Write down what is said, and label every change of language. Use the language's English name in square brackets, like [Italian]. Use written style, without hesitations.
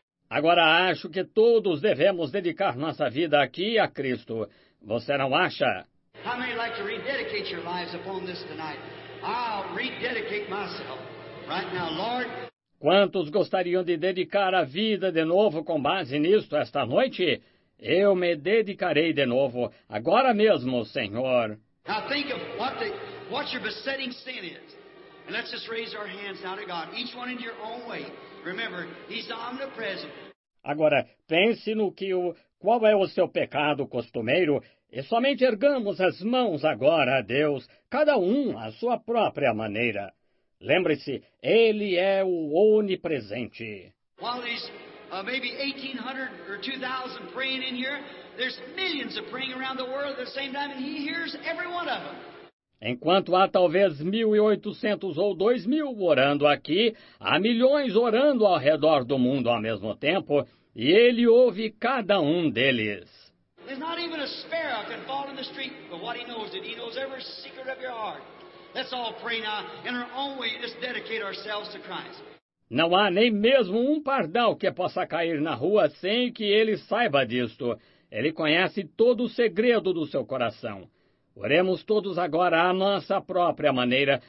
[Portuguese] Agora acho que todos devemos dedicar nossa vida aqui a Cristo. Você não acha? [English] How many like to rededicate your lives upon this tonight? I'll rededicate myself. Right now, Lord. [Portuguese] Quantos gostariam de dedicar a vida de novo com base nisto esta noite? Eu me dedicarei de novo, agora mesmo, Senhor. [English] Now think of what your besetting sin is. And let's just raise our hands now to God, each one in your own way. Remember, He's omnipresent. [Portuguese] Agora, pense no que qual é o seu pecado costumeiro, e somente ergamos as mãos agora a Deus, cada um à sua própria maneira. Lembre-se, Ele é o onipresente. [English] While there's maybe 1,800 or 2,000 praying in here, there's millions of praying around the world at the same time, and He hears every one of them. [Portuguese] Enquanto há talvez 1,800 ou 2,000 orando aqui, há milhões orando ao redor do mundo ao mesmo tempo, e Ele ouve cada um deles. [English] There's not even a sparrow can fall in the street, but what He knows it. He knows every secret of your heart. Let's all pray now in our own way, just dedicate ourselves to Christ. [Portuguese] Não há nem mesmo pardal que possa cair na rua sem que Ele saiba disto. Ele conhece todo o segredo do seu coração. Oremos todos agora à nossa própria maneira.